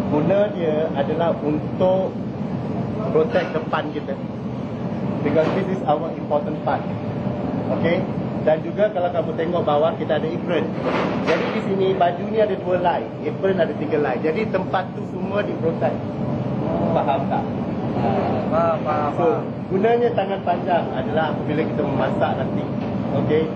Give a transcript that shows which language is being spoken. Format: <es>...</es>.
<ms>Guna dia adalah untuk protect depan kita.</ms> <en>Because this is our important part. Okay?</en> <ms>Dan juga kalau kamu tengok bawah, kita ada apron. Jadi di sini, baju ni ada dua line. Apron ada tiga line. Jadi tempat tu semua di protect. Faham tak? Faham. So, gunanya tangan panjang adalah bila kita memasak nanti. Okay?</ms>